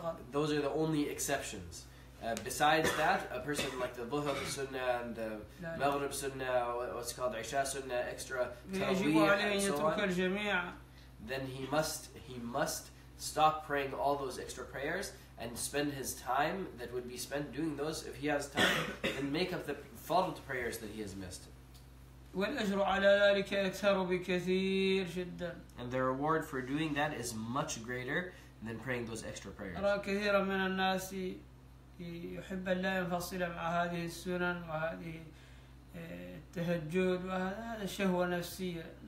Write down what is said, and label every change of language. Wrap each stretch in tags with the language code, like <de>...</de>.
<en>those are the only exceptions. Besides that, a person like the dhuhr sunnah and the maghrib sunnah, what's called isha sunnah, extra tawbiyah and so on. Then he must stop praying all those extra prayers and spend his time that would be spent doing those if he has time and make up the fard prayers that he has missed.</en> <ar>والأجر على ذلك أكثر بكثير جدا.</ar> <en>And the reward for doing that is much greater than praying those extra prayers.</en> <ar>أرى كثيرا من الناس يحب أن لا ينفصل مع هذه السنن وهذه التهجد وهذا شهوة نفسية.</ar>